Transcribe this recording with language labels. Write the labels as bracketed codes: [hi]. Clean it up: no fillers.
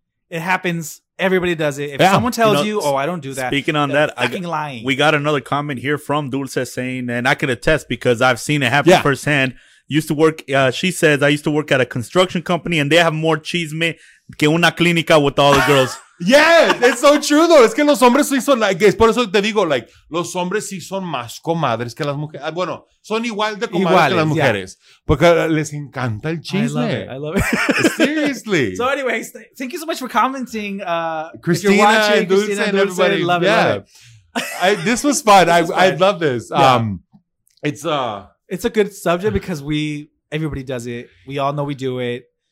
[en] It happens. Everybody does it. If someone tells you, I don't do that. Speaking on that, fucking lying. We got another comment here from Dulce saying, and I can attest because I've seen it happen firsthand. Used to work, she says, I used to work at a construction company and they have more chisme [es] que una clínica [en] with all the girls. Yes, it's so true though. [es] Es que los hombres sí son, like, es por eso te digo, like, los hombres sí son más comadres que las mujeres. Bueno, son igual de comadres iguales, que las mujeres. Yeah. Porque les encanta el chisme. [en] I love it. Seriously. So anyways, thank you so much for commenting. Christina, if you're watching, Christina and everybody. Love it. This was fun. I love this. Yeah. It's a good subject because everybody does it. We all know we do it.